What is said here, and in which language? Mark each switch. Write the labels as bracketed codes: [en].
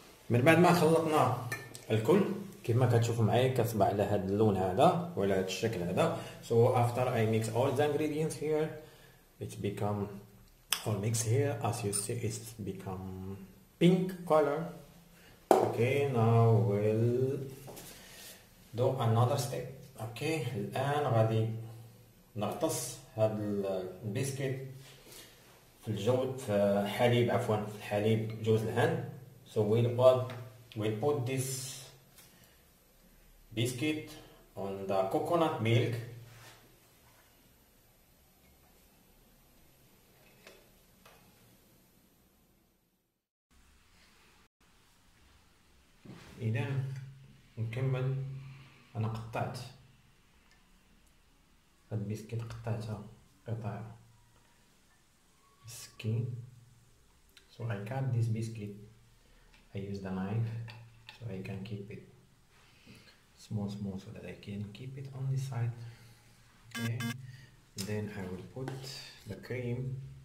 [ar] من بعد ما خلطنا الكل كما كتشوفوا معايا كتصبع على هذا اللون هذا ولا هذا الشكل هذا. [en] So after I mix all the ingredients here, it become all mix here. As you see, it's become pink color. Okay, now we'll do another step. [ar] Okay, الآن غادي نغطس هاد البسكيت في الجو في حليب عفوا في حليب جوز الهند. [en] So we'll put this biscuit on the coconut milk. [ar] إذا نكمل. أنا قطعت هاد البسكيت قطعتها قطع مسكين. [en] So I cut this biscuit. I use the knife so I can keep it small small so that I can keep it on this side. Okay. Then I will put the cream.